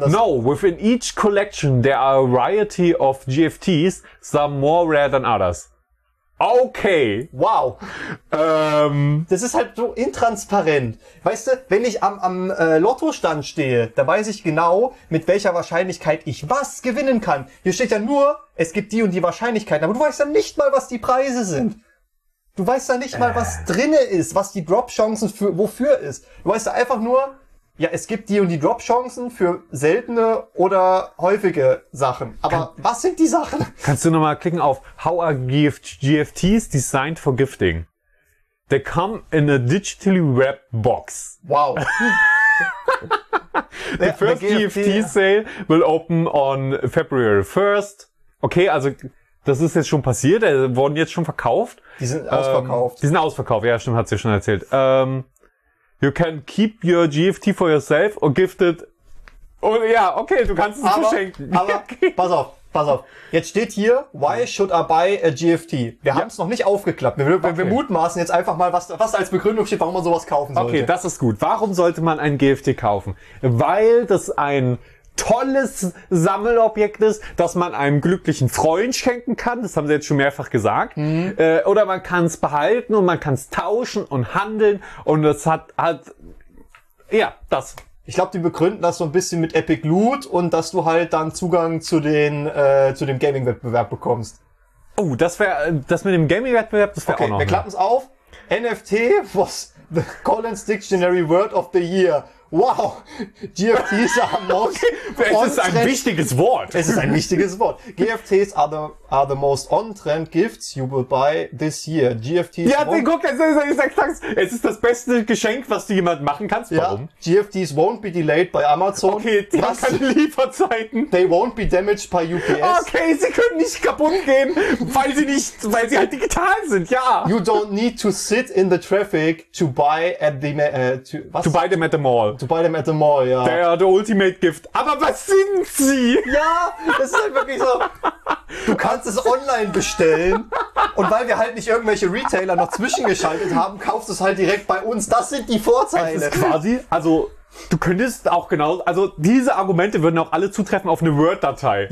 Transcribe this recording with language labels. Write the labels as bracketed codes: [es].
[de] dass... [en] No, within each collection there are a variety of GFTs, some more rare than others. Okay. Wow. [de] Das ist halt so intransparent. Weißt du, wenn ich am Lottostand stehe, da weiß ich genau, mit welcher Wahrscheinlichkeit ich was gewinnen kann. Hier steht ja nur, es gibt die und die Wahrscheinlichkeiten, aber du weißt ja nicht mal, was die Preise sind. Du weißt ja nicht mal, was drinne ist, was die Drop-Chancen für wofür ist. Du weißt ja einfach nur, ja, es gibt die und die Drop-Chancen für seltene oder häufige Sachen. Aber was sind die Sachen? Kannst du nochmal klicken auf [en] How are GFTs designed for gifting? They come in a digitally wrapped box. Wow. The first GFT sale will open on February 1st. [de] Okay, also das ist jetzt schon passiert. Die wurden jetzt schon verkauft. Die sind ausverkauft. Die sind ausverkauft. Ja, stimmt, hat sie schon erzählt. [en] You can keep your GFT for yourself or gift it. [de] Oh, ja, okay, du kannst es verschenken. Aber, pass auf. Jetzt steht hier, [en] why should I buy a GFT? [de] Wir haben es noch nicht aufgeklappt. Wir mutmaßen jetzt einfach mal, was als Begründung steht, warum man sowas kaufen sollte. Okay, das ist gut. Warum sollte man ein GFT kaufen? Weil das ein tolles Sammelobjekt ist, das man einem glücklichen Freund schenken kann. Das haben sie jetzt schon mehrfach gesagt. Mhm. Oder man kann es behalten und man kann es tauschen und handeln. Und es hat ja, das. Ich glaube, die begründen das so ein bisschen mit Epic Loot und dass du halt dann Zugang zu dem Gaming-Wettbewerb bekommst. Oh, das mit dem Gaming-Wettbewerb, das wäre okay, auch noch. Wir klappen es auf. [en] NFT was the Collins Dictionary Word of the Year. Wow, GFTs are most on-trend. [de] Es ist ein wichtiges Wort. Es ist ein wichtiges Wort. [en] GFTs are the most on-trend gifts you will buy this year. GFTs. [de] Ja, guck, es ist das beste Geschenk, was du jemandem machen kannst. Warum? Ja, [en] GFTs won't be delayed by Amazon. [de] Okay, die haben keine Lieferzeiten. [en] They won't be damaged by UPS. [de] Okay, sie können nicht kaputt gehen, weil sie halt digital sind. Ja. [en] You don't need to sit in the traffic to buy at the To buy them at the mall. To buy them at the mall, [de] ja. Der Ultimate Gift. Aber was sind sie? Ja, das ist halt wirklich so. Du kannst es online bestellen. Und weil wir halt nicht irgendwelche Retailer noch zwischengeschaltet haben, kaufst du es halt direkt bei uns. Das sind die Vorteile. Das ist quasi, also du könntest auch genau, also diese Argumente würden auch alle zutreffen auf eine Word-Datei.